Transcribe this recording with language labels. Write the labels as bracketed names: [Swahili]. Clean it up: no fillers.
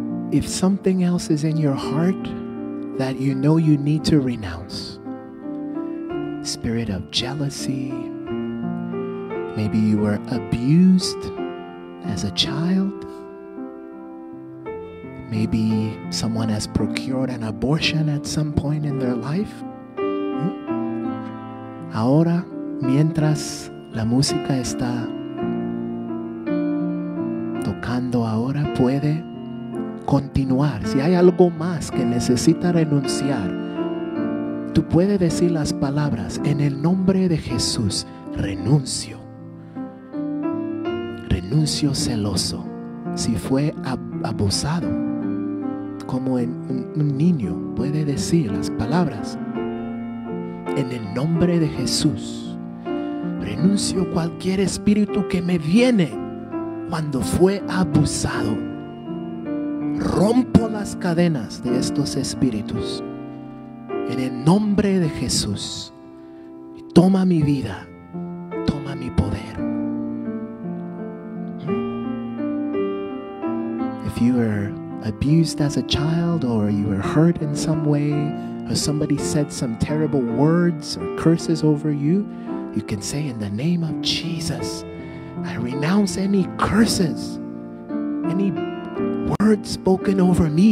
[English] If something else is in your heart that you know you need to renounce, spirit of jealousy, maybe you were abused as a child, maybe someone has procured an abortion at some point in their life. [Spanish] Ahora, mientras la música está tocando ahora, puede continuar. Si hay algo más que necesita renunciar, tú puedes decir las palabras: en el nombre de Jesús, renuncio. Renuncio celoso. Si fue abusado, como en un niño, puede decir las palabras: en el nombre de Jesús, renuncio cualquier espíritu que me viene cuando fue abusado. Rompo las cadenas de estos espíritus. En el nombre de Jesús, toma mi vida, toma mi poder. [English] If you were abused as a child, or you were hurt in some way, or somebody said some terrible words or curses over you, you can say, in the name of Jesus, I renounce any curses, any words spoken over me.